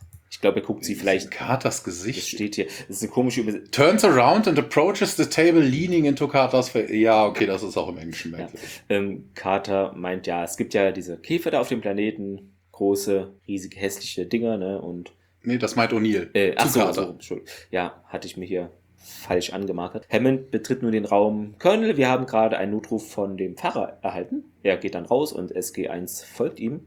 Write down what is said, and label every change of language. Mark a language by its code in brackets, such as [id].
[de] Ich glaube, er guckt sie vielleicht... Carters Gesicht. Das steht hier. Das ist eine komische Übersetzung. [en] Turns around and approaches the table leaning into Carters... [de] Ja, okay, das ist auch im Englischen merkwürdig. Ja. Carter meint, ja, es gibt ja diese Käfer da auf dem Planeten. Große, riesige, hässliche Dinger, ne? Und nee, das meint O'Neill. Ja, hatte ich mir hier falsch angemarkert. Hammond betritt nun den Raum. Colonel, wir haben gerade einen Notruf von dem Pfarrer erhalten. Er geht dann raus und SG1 folgt ihm.